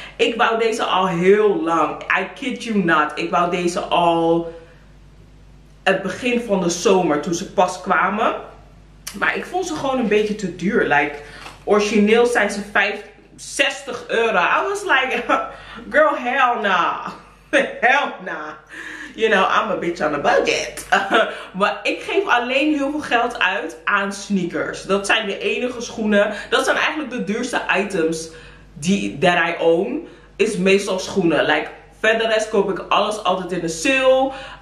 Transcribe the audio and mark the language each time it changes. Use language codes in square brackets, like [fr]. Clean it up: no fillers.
[nl] Ik wou deze al heel lang. [en] I kid you not. [nl] Ik wou deze al het begin van de zomer toen ze pas kwamen. Maar ik vond ze gewoon een beetje te duur. Like, origineel zijn ze 65 euro. [en] I was like, girl, hell nah. Hell nah. You know, I'm a bitch on a budget. [nl] Maar ik geef alleen heel veel geld uit aan sneakers. Dat zijn de enige schoenen. Dat zijn eigenlijk de duurste items [en] that I own. [nl] Is meestal schoenen. Like, verder rest koop ik alles altijd in de sale.